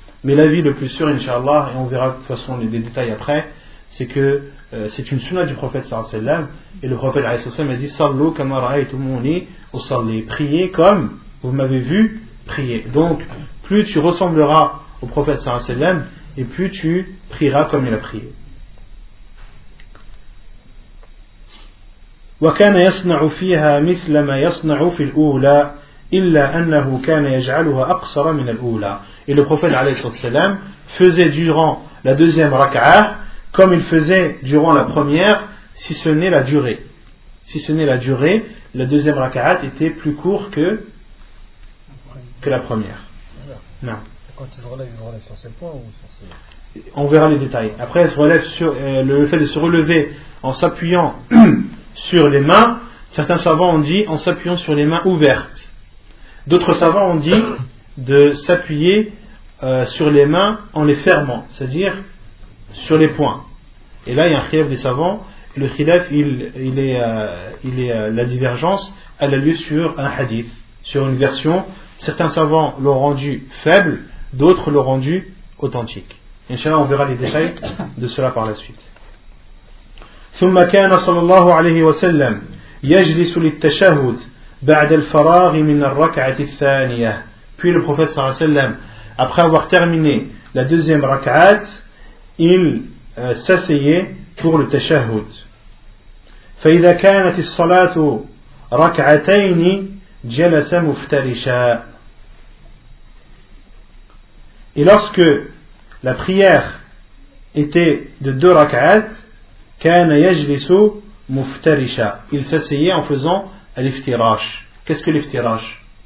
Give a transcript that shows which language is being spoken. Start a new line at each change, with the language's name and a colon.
French: Mais l'avis le plus sûr, Inch'Allah, et on verra de toute façon les détails après, c'est que c'est une sunna du prophète sallallahu alayhi wa sallam, et le prophète sallallahu alayhi wa sallam a dit «
Arabic: Sallu kama ra'aytumuni usalli
French: » Priez comme vous m'avez vu prier. Donc, plus tu ressembleras au prophète sallallahu alayhi wa sallam, et plus tu prieras comme il a prié.
Arabic: وكان يصنع فيها مثل ما يصنع في الأولى إلا أنه كان يجعلها أقصر من الأولى.
French: Et le prophète عليه الصلاة والسلام faisait durant la deuxième raka'ah comme il faisait durant la première, si ce n'est la durée. Si ce n'est la durée, la deuxième raka'ah était plus courte que la première. Non. Quand ils se relèvent sur ces points ou sur ces... On verra les détails. Après, elle se relève sur le fait de se relever en s'appuyant sur les mains. Certains savants ont dit en s'appuyant sur les mains ouvertes. D'autres savants ont dit de s'appuyer sur les mains en les fermant, c'est-à-dire sur les poings. Et là, il y a un khilaf des savants. Le khilaf, la divergence, elle a lieu sur un hadith, sur une version. Certains savants l'ont rendu faible, d'autres l'ont rendu authentique. Inch'Allah, on verra les détails de cela par la suite.
Arabic: ثم كان صلى الله عليه وسلم يجلس للتشهد بعد الفراغ من الركعة الثانية.
French: Puis le prophète صلى الله عليه وسلم, après avoir terminé la deuxième rak'at, il s'asseyait pour le tashahhud.
Arabic: فإذا كانت الصلاة ركعتين جلس مفترشا.
French: Et lorsque la prière était de deux rak'at,
Arabic: كَانَ يَجْلِسُ مُفْتَرِشًا.
French: Il s'asseyait en faisant l'iftirash. Qu'est-ce que l'iftirash?